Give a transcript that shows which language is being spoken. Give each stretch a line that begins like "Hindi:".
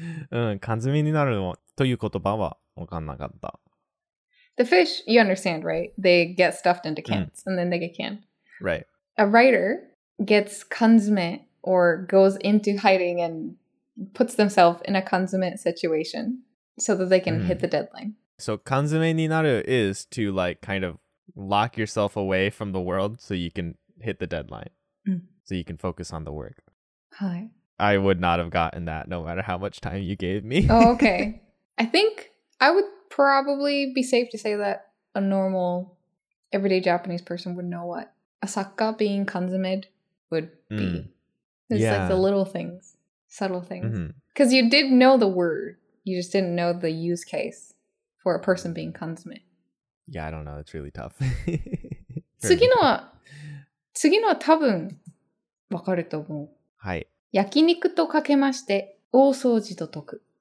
Japanese: うん、缶詰になるのという言葉は分かんなかった。
English: The fish, you understand, right? They get stuffed into cans, and then they get canned. Right. A writer... gets kanzume or goes into hiding and puts themselves in a kanzume situation so that they can hit the deadline. So
Japanese: kanzume ninaru
English: is to like kind of lock yourself away from the world so you can hit the deadline. So you can focus on the work. Hi. I would not have gotten that no matter how much time you gave me. Oh, okay. I think I would probably be safe to say that a normal everyday Japanese person would know what asaka being kanzume would be. It's like the little things, subtle things. Because you did know the word, you just didn't know the use case for a person being kanzume. Yeah, I don't know. It's really tough.
Japanese: 次のは、次のは多分分かると思う。はい。焼肉とかけまして、大掃除と解く。